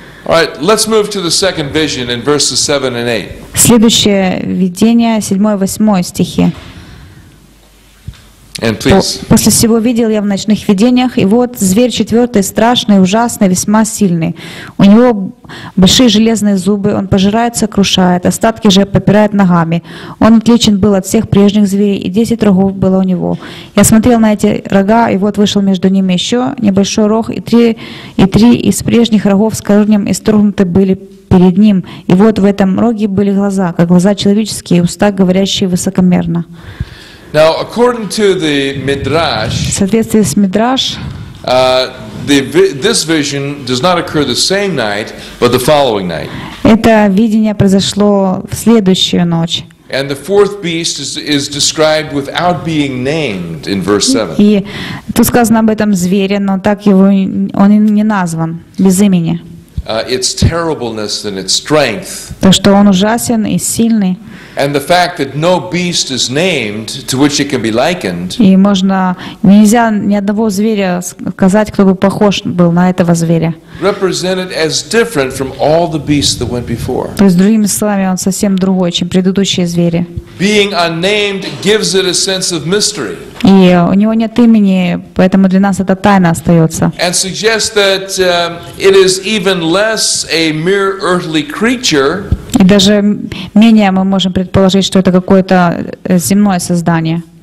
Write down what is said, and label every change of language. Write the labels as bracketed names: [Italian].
[English] All right, let's move to the second vision in verses 7 and 8. [Russian] Следующее видение, 7-8 стихи. [English] And please. [Russian] После всего видел я в ночных видениях, и вот зверь четвертый, страшный, ужасный, весьма сильный. У него большие железные зубы, он пожирает, сокрушает, остатки же попирает ногами. Он отличен был от всех прежних зверей, и 10 рогов было у него. Я смотрел на эти рога, и вот вышел между ними еще небольшой рог, и три из прежних рогов с корнем исторгнуты были перед ним. И вот в этом роге были глаза, как глаза человеческие, уста, говорящие высокомерно. [English] Now, according to the Midrash, [Russian] в соответствии с Мидраш, [English] this vision does not occur the same night, but the following night. [Russian] Это видение произошло в следующую ночь. [English] And the fourth beast is described without being named in verse 7. [Russian] И тут сказано об этом звере, но так его он не назван без имени. [English] Its terribleness and its strength. [Russian] То, что он ужасен и сильный. [English] And the fact that no beast is named to which it can be likened. [Russian] И можно нельзя ни одного зверя сказать, кто бы похож был на этого зверя. [English] Represented as different from all the beasts that went before. [Russian] То есть другими словами, он совсем другой, чем предыдущие звери. [English] Being unnamed gives it a sense of mystery. [Russian] И у него нет имени, поэтому для нас это тайна остается. [English] And suggests that it is even less a mere earthly creature. [Russian] И даже менее мы можем предположить, что это какое-то земное создание.